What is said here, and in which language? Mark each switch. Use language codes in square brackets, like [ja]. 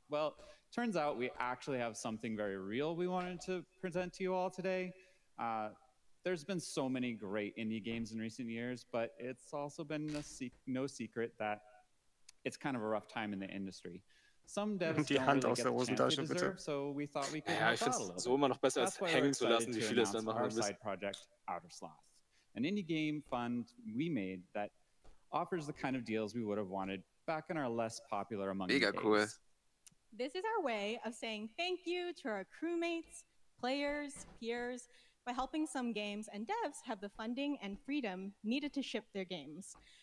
[en] Well, turns out we actually have something very real we wanted to present to you all today. There's been so many great indie games in recent years, but it's also been no secret that it's kind of a rough time in the industry. Some devs don't really get the chance they deserve, so we thought we could help out a little. [de] So immer noch besser als hängen zu lassen, wie viele es dann machen müssen. [en] Side project Outer Sloth, an indie game fund we made that offers the kind of deals we would have wanted back in our less popular Among Us. [de] Mega cool. [en] This is our way of saying thank you to our crewmates, players, peers, by helping some games and devs have the funding and freedom needed to ship their games.